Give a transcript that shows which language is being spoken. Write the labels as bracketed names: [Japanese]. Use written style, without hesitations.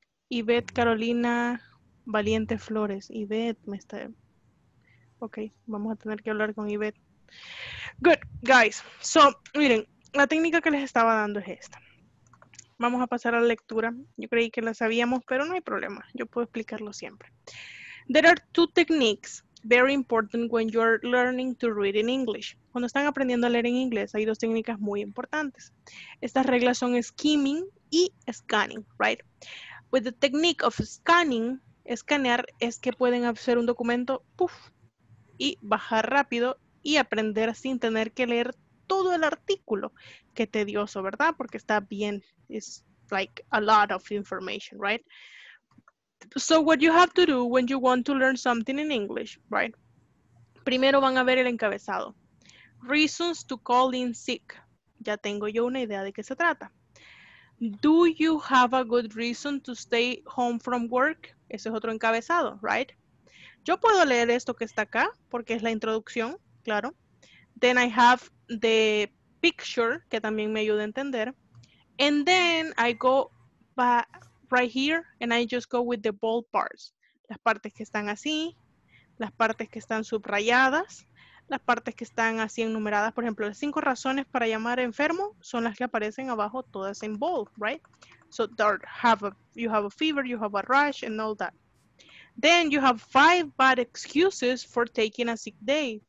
[Spanish] Yvette Carolina Valiente Flores. Yvette, me está... Ok, vamos a tener que hablar con Yvette. [English] Good, guys. [Spanish] So, miren, la técnica que les estaba dando es esta. Vamos a pasar a la lectura. Yo creí que la sabíamos, pero no hay problema. Yo puedo explicarlo siempre. [English] There are two techniques very important when you're learning to read in English. [Spanish] Cuando están aprendiendo a leer en inglés, hay dos técnicas muy importantes. Estas reglas son skimming y scanning, right? [English] With the technique of scanning, [Spanish] escanear es que pueden hacer un documento, puff, y bajar rápido y aprender sin tener que leer todo el artículo. Qué tedioso, ¿verdad? Porque está bien. [English] It's like a lot of information, right? So what you have to do when you want to learn something in English, right? [Spanish] Primero van a ver el encabezado. [English] Reasons to call in sick. [Spanish] Ya tengo yo una idea de qué se trata. [English] Do you have a good reason to stay home from work? [Spanish] Ese es otro encabezado, right? Yo puedo leer esto que está acá, porque es la introducción, claro. [English] Then I have the picture, [Spanish] que también me ayuda a entender. [English] And then I go back right here, and I just go with the bold parts. [Spanish] Las partes que están así, las partes que están subrayadas, las partes que están así enumeradas. Por ejemplo, las cinco razones para llamar enfermo son las que aparecen abajo, todas en bold, right? [English] So you have a fever, you have a rash, and all that. Then you have five bad excuses for taking a sick day.